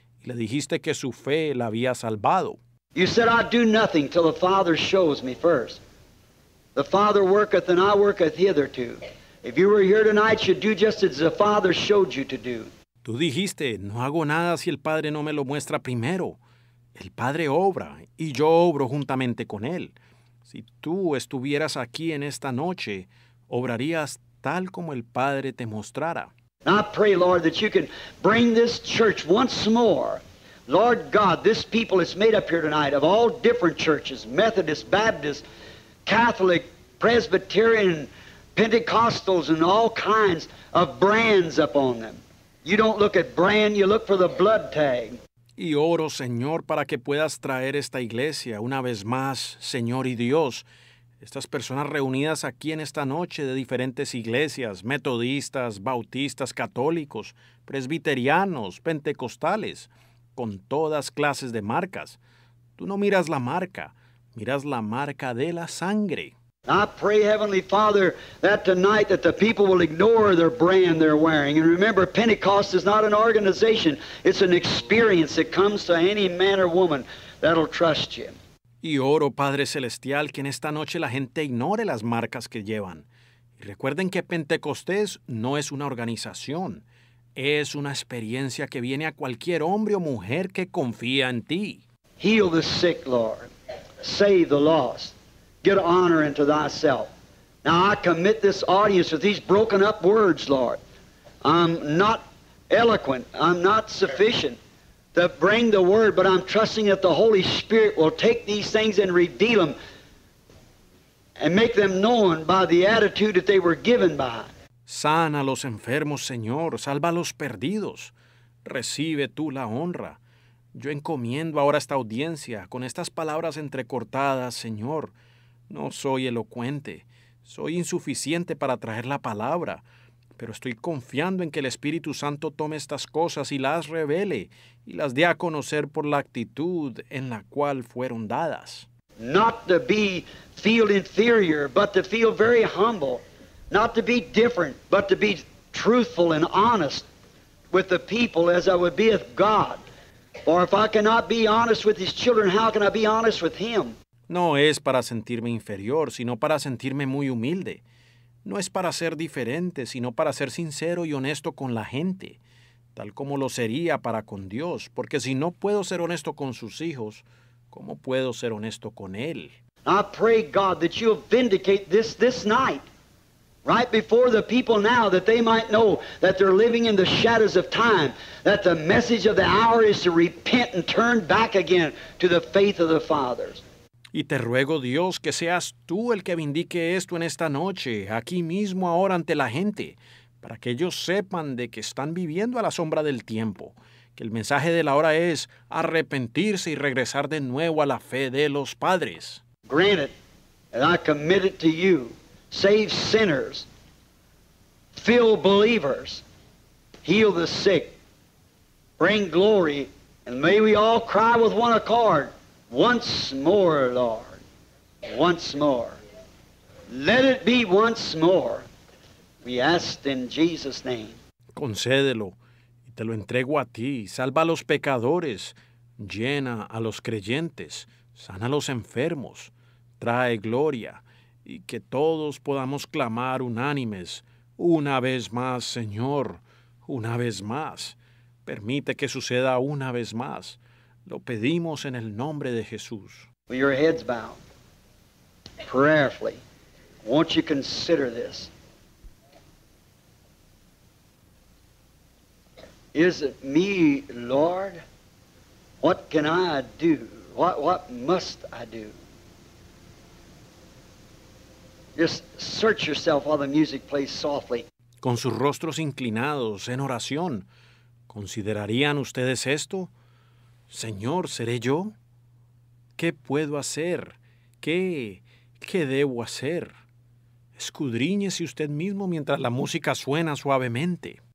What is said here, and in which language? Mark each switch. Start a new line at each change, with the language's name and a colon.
Spanish: Y le dijiste que su fe la había salvado.
English: You said, I do nothing till the Father shows me first. The Father worketh, and I worketh hitherto. If you were here tonight, you'd do just as the Father showed you to do.
Spanish: Tú dijiste, no hago nada si el Padre no me lo muestra primero. El Padre obra, y yo obro juntamente con Él. Si tú estuvieras aquí en esta noche, obrarías tal como el Padre te mostrara.
English: I pray, Lord, that you can bring this church once more Lord God, this people that's made up here tonight of all different churches, Methodist, Baptist, Catholic, Presbyterian, Pentecostals, and all kinds of brands up on them. You don't look at brand, you look for the blood tag.
Spanish: Y oro, Señor, para que puedas traer esta iglesia una vez más, Señor y Dios. Estas personas reunidas aquí en esta noche de diferentes iglesias, metodistas, bautistas, católicos, presbiterianos, pentecostales, con todas clases de marcas. Tú no miras la marca, miras la marca de la sangre.
English: I pray, Heavenly Father, that tonight that the people will ignore their brand they're wearing. And remember, Pentecost is not an organization. It's an experience that comes to any man or woman that'll trust you.
Spanish: Y oro, Padre Celestial, que en esta noche la gente ignore las marcas que llevan. Y recuerden que Pentecostés no es una organización. Es una experiencia que viene a cualquier hombre o mujer que confía en ti.
English: Heal the sick, Lord. Save the lost. Get honor into thyself. Now I commit this audience with these broken up words, Lord. I'm not eloquent. I'm not sufficient to bring the word, but I'm trusting that the Holy Spirit will take these things and reveal them and make them known by the attitude that they were given by.
Spanish: Sana los enfermos, Señor. Salva a los perdidos. Recibe tú la honra. Yo encomiendo ahora esta audiencia con estas palabras entrecortadas, Señor. No soy elocuente, soy insuficiente para traer la palabra, pero estoy confiando en que el Espíritu Santo tome estas cosas y las revele y las dé a conocer por la actitud en la cual fueron dadas.
English: Not to be feel inferior, but to feel very humble. Not to be different, but to be truthful and honest with the people as I would be with God. For if I cannot be honest with his children, how can I be honest with him?
Spanish: No es para sentirme inferior, sino para sentirme muy humilde. No es para ser diferente, sino para ser sincero y honesto con la gente, tal como lo sería para con Dios. Porque si no puedo ser honesto con sus hijos, ¿cómo puedo ser honesto con Él?
English: I pray, God, that you'll vindicate this night, right before the people now, that they might know that they're living in the shadows of time, that the message of the hour is to repent and turn back again to the faith of the fathers.
Spanish: Y te ruego, Dios, que seas tú el que vindique esto en esta noche, aquí mismo ahora ante la gente, para que ellos sepan de que están viviendo a la sombra del tiempo, que el mensaje de la hora es arrepentirse y regresar de nuevo a la fe de los padres.
English: Grant it, and I commit it to you. Save sinners, fill believers, heal the sick, bring glory, and may we all cry with one accord. Once more, Lord, once more. Let it be once more. We ask in Jesus' name.
Spanish: Concédelo, y te lo entrego a ti. Salva a los pecadores, llena a los creyentes, sana a los enfermos, trae gloria, y que todos podamos clamar unánimes. Una vez más, Señor, una vez más. Permite que suceda una vez más. Lo pedimos en el nombre de Jesús.
English: With your heads bowed, prayerfully, won't you consider this? Is it me, Lord? What can I do? What must I do? Just search yourself while the music plays softly.
Spanish: Con sus rostros inclinados en oración, ¿considerarían ustedes esto? Señor, ¿seré yo? ¿Qué puedo hacer? ¿Qué debo hacer? Escudriñese usted mismo mientras la música suena suavemente.